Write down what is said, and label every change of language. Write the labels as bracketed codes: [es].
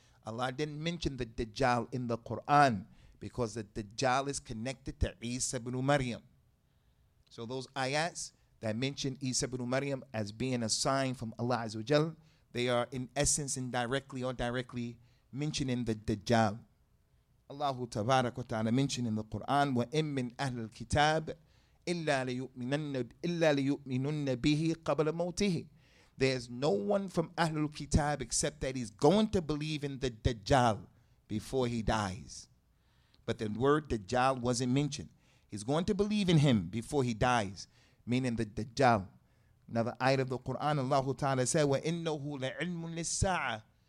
[en] Allah didn't mention the Dajjal in the Quran because the Dajjal is connected to Isa ibn Maryam. So those ayats that mention Isa ibn Maryam as being a sign from Allah Azza wa Jal, they are in essence indirectly or directly mentioning the Dajjal. [ar] Allahu tabarak wa ta'ala [en] mentioned in the Quran, [ar] وَإِن مِّنْ أَهْلِ الْكِتَابِ إِلَّا لِيُؤْمِنُنَّ بِهِ قَبْلَ مَوْتِهِ. [en] There's no one from Ahlul Kitab except that he's going to believe in the Dajjal before he dies. But the word Dajjal wasn't mentioned. He's going to believe in him before he dies, meaning the Dajjal. Another ayat of the Quran, Allah Ta'ala said, [ar] وَإِنَّهُ لَعِلْمٌ لِلسَّاعَةِ.